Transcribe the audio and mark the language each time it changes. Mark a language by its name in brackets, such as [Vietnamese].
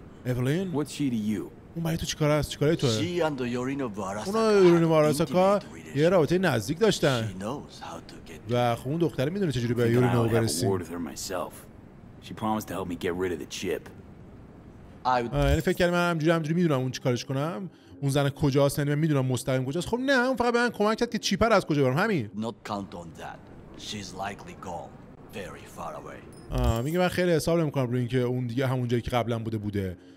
[Persian] اولین؟ اون برای تو چی کاره هست؟ چی کاره توه؟ اونا یورینو واراساکا یه رابطه نزدیک داشتن و خب اون دختره میدونه چجوری به یورینو برسیم. [English] She promised to help me get rid of the chip. [Persian] یعنی فکر کردم من همجوری میدونم اون چی کارش کنم. اون زن کجاست؟ یعنی من میدونم مستقیم کجاست. خب نه، اون فقط به من کمک کرد که چیپ رو از کجا ببرم. همین. [English] Not count on that. She's likely gone very far away. [Persian] میگه من خیلی حساب نمی‌کنم روی اینکه اون دیگه همون جایی که قبلا بوده.